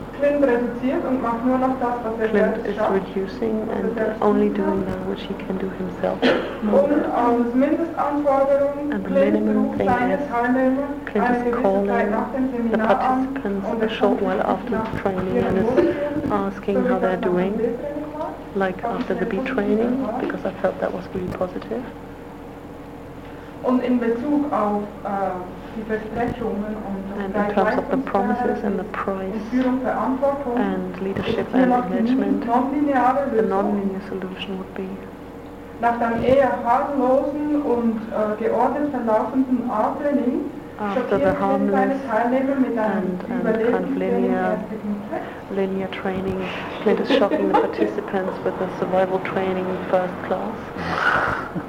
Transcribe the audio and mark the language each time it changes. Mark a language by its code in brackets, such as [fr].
[de] Clint reduziert und macht nur noch das, was er Clint selbst [en] is [de] schafft, [en] reducing and only doing that which he can do himself. [de] Und als Mindestanforderung, [en] and [de] Clint ruft seine Teilnehmer Clint eine gewisse Zeit nach dem Seminar an und [en] a short while after the training and is asking how they're doing, like after the B training, because I felt that was really positive. [de] Und in Bezug auf die Versprechungen und das [en] and in terms of the promises and the price and leadership and management, the non-linear solution would be [de] nach dann eher harmlosen und geordnet verlaufenden A-Training [en] after the harmless and kind of linear training, Clint is shocking the participants with the survival training in first class.